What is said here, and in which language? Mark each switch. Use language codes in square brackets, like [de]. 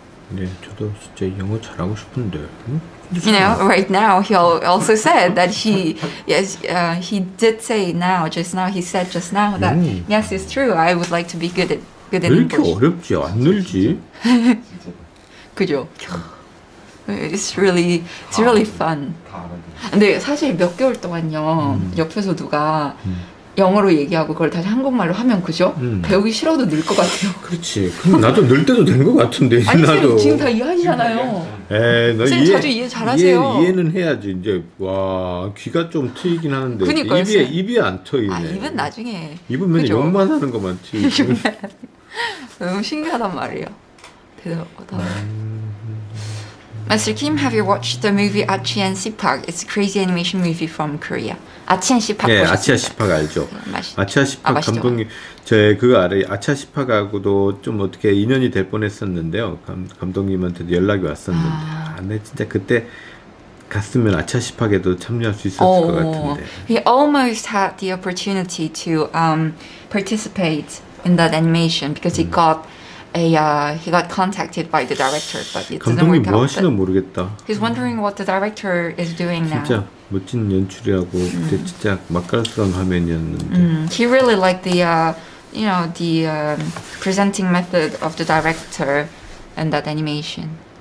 [ko] 네, 저도 진짜 영어 잘하고 싶은데. [en] You know, right now he also said that he he said just now that yes, it's true. I would like to be good in English. [ko] 왜 이렇게 어렵지? 안 늘지? 그죠? [en] It's really fun. [ko] 근데 사실 몇 개월 동안요 옆에서 누가 영어로 얘기하고 그걸 다시 한국말로 하면 그죠? 배우기 싫어도 늘 것 같아요. 그렇지. 그럼 나도 늘 때도 된 것 같은데. 아니, 나도. 지금 다 이해하시잖아요. 에, 너 이해. 자주 이해 잘하세요. 이해는 해야지. 이제 와 귀가 좀 트이긴 하는데. 그니까요. 입이 안 트이네. 아, 입은 나중에. 입은 맨날 욕만 하는 것만 트이. 너무 신기하단 말이에요. 대단하다. [en] Master Kim, have you watched the movie 아치 앤 시팍? It's a crazy animation movie from Korea. 아치 앤 시팍 [ko] 보셨어요? 아치 앤 시팍 알죠. 아치 앤 시팍 감독님, 제 그거 알아요. 아치 앤 시팍하고도 좀 어떻게 인연이 될 뻔했었는데요. 감독님한테도 연락이 왔었는데. 아, 근데 진짜 그때 갔으면 아치 앤 시팍에도 참여할 수 있었을 것 같은데. [en] He almost had the opportunity to participate in that animation because he got he got contacted by the director, but it didn't work out. [ko] 감독님 뭐 하시나 모르겠다. [en] He's wondering what the director is doing now. [ko] 진짜 멋진 연출이라고 그때 진짜 맛깔스러운 화면이었는데. [en] He really liked the, you know, the presenting method of the director and that animation.